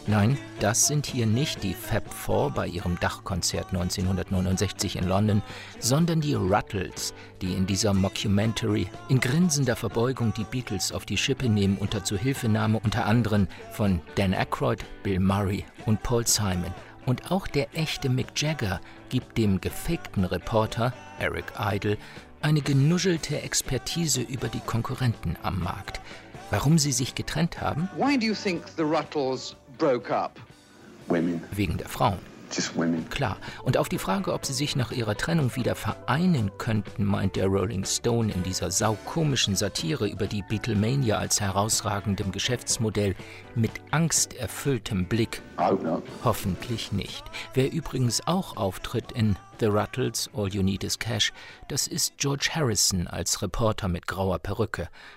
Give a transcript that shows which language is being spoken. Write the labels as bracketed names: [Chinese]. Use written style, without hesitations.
[German] Nein, das sind hier nicht die Fab Four bei ihrem Dachkonzert 1969 in London, sondern die Ruttles, die in dieser Mockumentary in grinsender Verbeugung die Beatles auf die Schippe nehmen unter Zuhilfenahme unter anderem von Dan Aykroyd, Bill Murray und Paul Simon. Und auch der echte Mick Jagger gibt dem gefakten Reporter Eric Idle eine genuschelte Expertise über die Konkurrenten am Markt. Warum sie sich getrennt haben? [English] Why do you think the Ruttles broke up? Women. [German] Wegen der Frauen. [English] Just women. [German] Klar. Und auf die Frage, ob sie sich nach ihrer Trennung wieder vereinen könnten, meint der Rolling Stone in dieser saukomischen Satire über die Beatlemania als herausragendem Geschäftsmodell mit angsterfülltem Blick. [English] I hope not. [German] Hoffentlich nicht. Wer übrigens auch auftritt in The Ruttles, All You Need Is Cash, das ist George Harrison als Reporter mit grauer Perücke.